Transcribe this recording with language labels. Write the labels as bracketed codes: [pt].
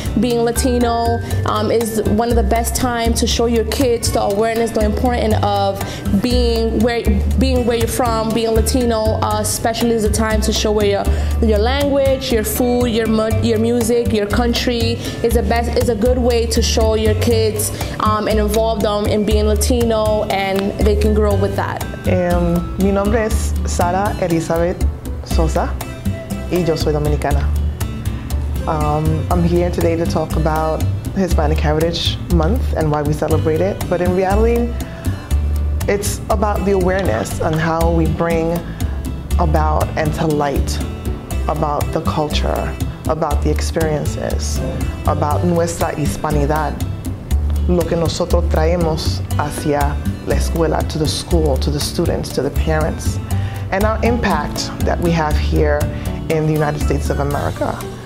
[en] Being Latino is one of the best times to show your kids the awareness, the importance of being where you're from, being Latino, especially is the time to show where your language, your food, your music, your country is the best, is a good way to show your kids and involve them in being Latino, and they can grow with that. [es] Mi nombre es Sara Elizabeth Sosa, y yo soy Dominicana. [en] I'm here today to talk about Hispanic Heritage Month and why we celebrate it, but in reality, it's about the awareness on how we bring about and to light about the culture, about the experiences, about [es] nuestra Hispanidad, lo que nosotros traemos hacia la escuela, [en] to the school, to the students, to the parents, and our impact that we have here in the United States of America.